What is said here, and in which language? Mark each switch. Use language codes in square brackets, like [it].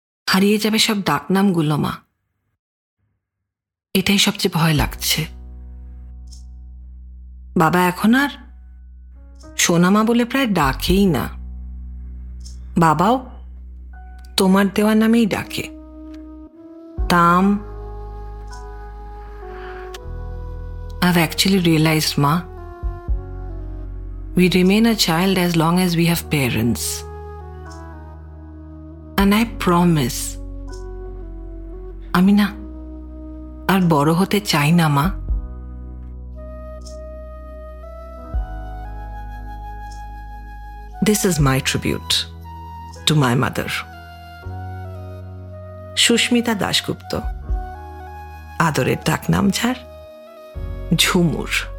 [bn] হারিয়ে যাবে সব ডাক নামগুলো মা, এটাই সবচেয়ে ভয় লাগছে। বাবা এখন আর সোনামা বলে প্রায় ডাকেই না, বাবাও তোমার দেওয়ার নামেই ডাকে। [en] তাম, I've actually realized, ma, we remain a child as long as we have parents. And I promise, Amina, [bn] আর বড় হতে চাই না মা। [en] This is my tribute to my mother. [bn] Susmita Dasgupta, আদরের ডাক নাম ছাড় ঝুমুর।